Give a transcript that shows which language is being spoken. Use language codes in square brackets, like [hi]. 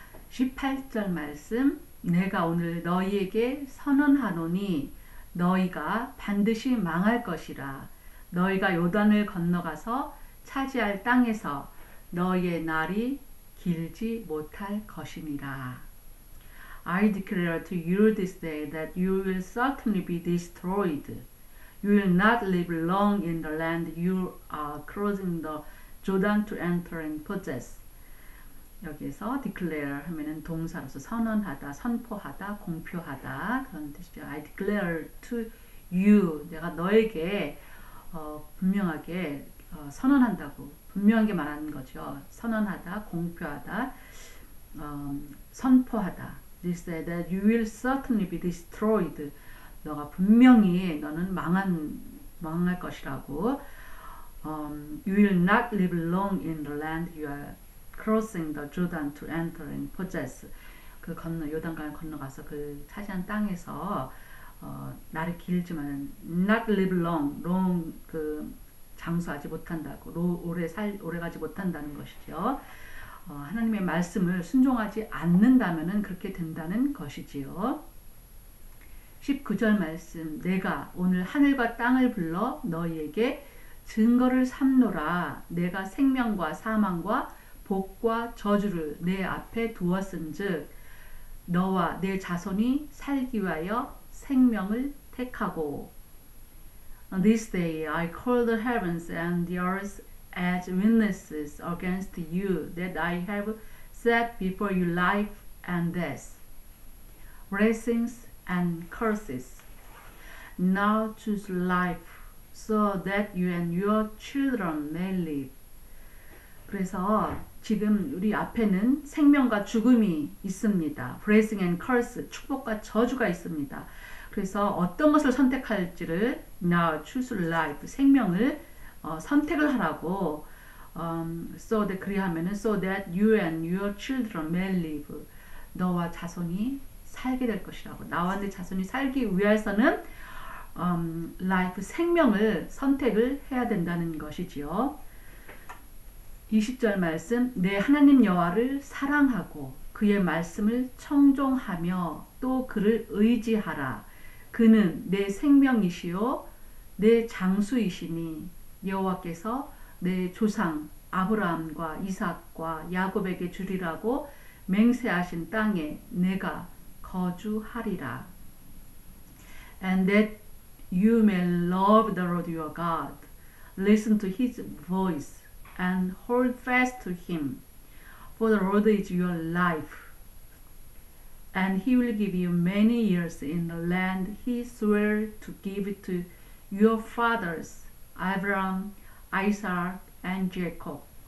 [ko] 18절 말씀. 내가 오늘 너희에게 선언하노니 너희가 반드시 망할 것이라. 너희가 요단을 건너가서 차지할 땅에서 너희의 날이 길지 못할 것이니라. [en] I declare to you this day that you will certainly be destroyed. You will not live long in the land you are crossing the Jordan to enter and possess. [ko] 여기에서 declare 하면은 동사로서 선언하다, 선포하다, 공표하다 그런 뜻이죠. [en] I declare to you, [ko] 내가 너에게 분명하게 선언한다고, 분명하게 말하는 거죠. 선언하다, 공표하다, 선포하다. [en] This day that you will certainly be destroyed. [ko] 너가 분명히 너는 망할 것이라고. [en] You will not live long in the land you are crossing the Jordan to enter and possess. [ko] 요단강을 건너가서 그 차지한 땅에서 나를 길지만 [en] not live long, long [ko] 그 장수하지 못한다고 오래 가지 못한다는 것이죠. 하나님의 말씀을 순종하지 않는다면은 그렇게 된다는 것이지요. 19절 말씀, 내가 오늘 하늘과 땅을 불러 너희에게 증거를 삼노라. 내가 생명과 사망과 복과 저주를 내 앞에 두었은즉 너와 내 자손이 살기 위하여 생명을 택하고. [en] On this day I call the heavens and the earth as witnesses against you that I have set before you life and death, blessings and curses. Now choose life so that you and your children may live. [ko] 그래서 지금 우리 앞에는 생명과 죽음이 있습니다. [en] Blessing and curse, [ko] 축복과 저주가 있습니다. 그래서 어떤 것을 선택할지를 [en] now choose life, [ko] 생명을 선택을 하라고 [en] so that [ko] 그리하면은 [en] so that you and your children may live, [ko] 너와 자손이 살게 될 것이라고, 나와 내 자손이 살기 위해서는 life, 생명을 선택을 해야 된다는 것이지요. 20절 말씀, 내 하나님 여호와를 사랑하고 그의 말씀을 청종하며 또 그를 의지하라. 그는 내 생명이시요 내 장수이시니 여호와께서 내 조상 아브라함과 이삭과 야곱에게 주리라고 맹세하신 땅에 내가 거주하리라. [en] And that you may love the Lord your God, listen to his voice, and hold fast to him, for the Lord is your life, and he will give you many years in the land he swore to give to your fathers, Abraham, Isaac, and Jacob.